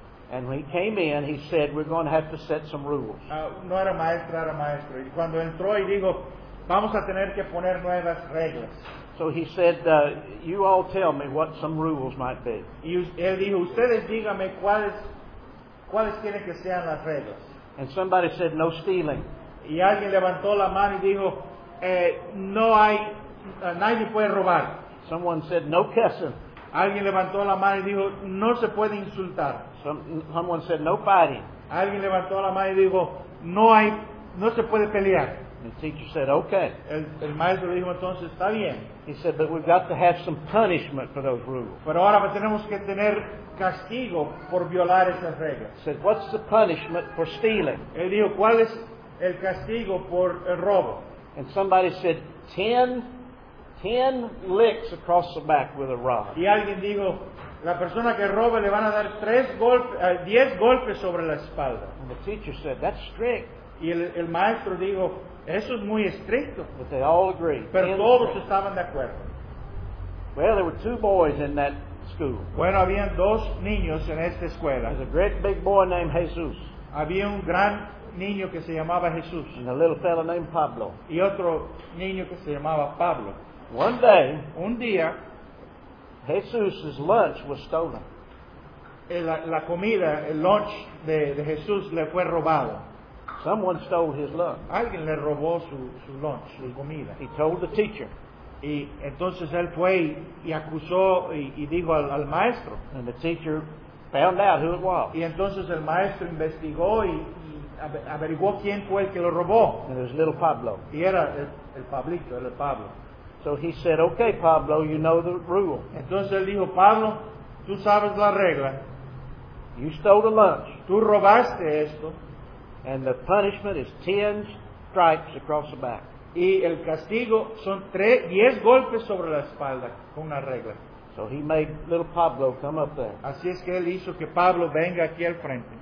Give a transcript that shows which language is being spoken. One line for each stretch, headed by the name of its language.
English: And when he came in, he said, we're going to have to set some rules.
Spanish: No era maestra, era maestro. Y cuando entró y dijo, vamos a tener que poner nuevas reglas.
English: So he said, you all tell me what some rules might be.
Spanish: Y él dijo, ustedes díganme cuáles tienen que sean las reglas.
English: And somebody said, no stealing.
Spanish: Y alguien levantó la mano y dijo, no hay, nadie puede robar.
English: Someone said, no cussing.
Spanish: Alguien levantó la mano y dijo, no se puede insultar.
English: Someone said, no fighting.
Spanish: Alguien levantó la mano y dijo, no se puede pelear.
English: The teacher said, okay.
Spanish: El maestro dijo, entonces, está bien.
English: He said, but we've got to have some punishment for those rules.
Spanish: Pero ahora tenemos que tener castigo por violar esas reglas.
English: He said, what's the punishment for stealing?
Spanish: Él dijo, ¿cuál es el castigo por el robo?
English: And somebody said, 10 licks across the back with a rod.
Spanish: Y alguien dijo, la persona que robe le van a dar 10 golpes sobre la espalda.
English: And the teacher said, that's strict.
Spanish: Y el maestro dijo, eso es muy estricto.
English: But they all agreed.
Spanish: Pero todos estaban de acuerdo.
English: Well, there were two boys in that school.
Spanish: Bueno, habían dos niños en esta escuela.
English: There's a great big boy named Jesus.
Spanish: Había un gran niño que se llamaba Jesús.
English: And a little fellow named Pablo.
Spanish: Y otro niño que se llamaba Pablo.
English: One day,
Spanish: un día,
English: Jesús' lunch was stolen.
Spanish: La comida, el lunch de Jesús le fue robado.
English: Someone stole his lunch.
Spanish: Alguien le robó su lunch, su comida.
English: He told the teacher.
Spanish: Y entonces él fue y acusó y dijo al maestro.
English: And the teacher found out who it was.
Spanish: Y entonces el maestro investigó y averiguó quién fue el que lo robó.
English: And it was little Pablo.
Spanish: Y era el Pablito, era el Pablo.
English: So he said, okay, Pablo, you know the rule.
Spanish: Entonces él dijo, Pablo, tú sabes la regla.
English: You stole the lunch.
Spanish: Tú robaste esto.
English: And the punishment is 10 stripes across the back.
Spanish: Y el castigo son 10 golpes sobre la espalda con una regla.
English: So he made little Pablo come up there.
Spanish: Así es que él hizo que Pablo venga aquí al frente.